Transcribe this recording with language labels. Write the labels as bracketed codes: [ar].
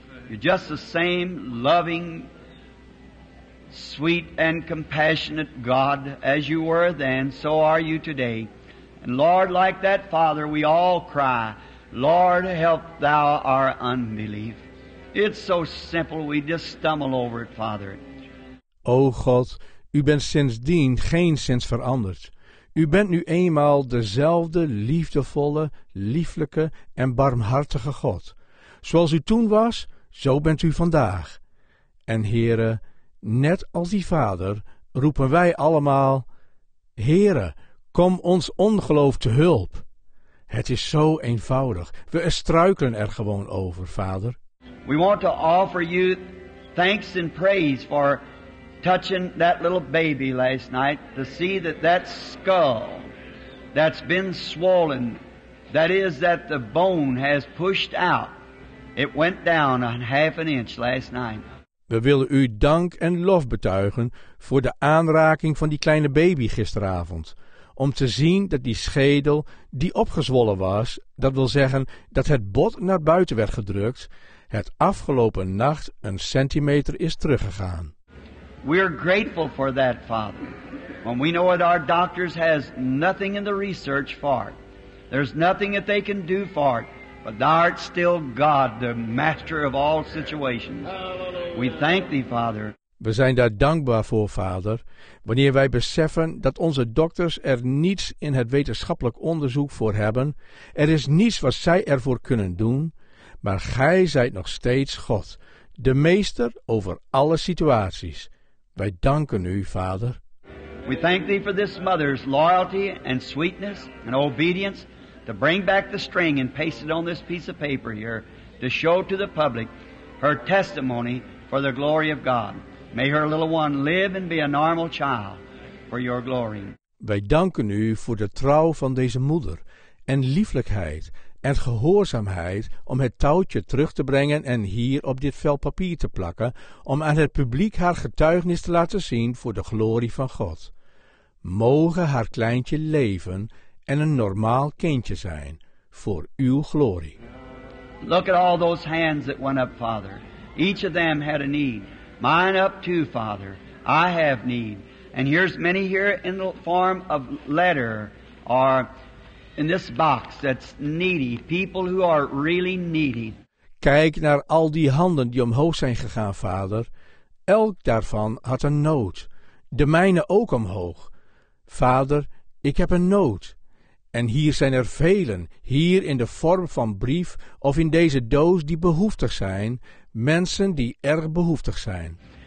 [en] You're just the same loving, sweet and compassionate God as you were then, so are you today. And Lord, like that Father, we all cry, Lord, help thou our unbelief. It's so simple, we just stumble over it, Father. [nl] O God, u bent sindsdien geen sinds veranderd. U bent nu eenmaal dezelfde liefdevolle, lieflijke en barmhartige God. Zoals u toen was, zo bent u vandaag. En Heere, net als die Vader, roepen wij allemaal: Heere, kom ons ongeloof te hulp. Het is zo eenvoudig. We struikelen er gewoon over, Vader. [en] We want to offer you thanks and praise for touching that little baby last night, to see that that skull that's been swollen, that is, that the bone has pushed out, it went down a half an inch last night. [nl] We willen u dank en lof betuigen voor de aanraking van die kleine baby gisteravond, om te zien dat die schedel die opgezwollen was, dat wil zeggen dat het bot naar buiten werd gedrukt, het afgelopen nacht een centimeter is teruggegaan. [en] We are grateful for that, Father. When we know that our doctors has nothing in the research for it, there's nothing that they can do for it, but thou art still God, the master of all situations. We thank thee, Father. [nl] We zijn daar dankbaar voor, Vader, wanneer wij beseffen dat onze dokters er niets in het wetenschappelijk onderzoek voor hebben, er is niets wat zij ervoor kunnen doen, maar gij zijt nog steeds God, de meester over alle situaties. Wij danken u, Vader. [en] We thank thee for this mother's loyalty and sweetness and obedience to bring back the string and paste it on this piece of paper here to show to the public her testimony for the glory of God. May her little one live and be a normal child for your glory. [nl] Wij danken u voor de trouw van deze moeder en lieflijkheid en gehoorzaamheid om het touwtje terug te brengen en hier op dit vel papier te plakken, om aan het publiek haar getuigenis te laten zien voor de glorie van God. Mogen haar kleintje leven en een normaal kindje zijn, voor uw glorie. [en] Look at all those hands that went up, Father. Each of them had a need. Mine up too, Father. I have need. And here's many here in the form of letter or in this box that's needy, people who are really needy. [nl] Kijk naar al die handen die omhoog zijn gegaan, Vader. Elk daarvan had een nood. De mijne ook omhoog. Vader, ik heb een nood. En hier zijn er velen, hier in de vorm van brief of in deze doos, die behoeftig zijn, mensen die erg behoeftig zijn.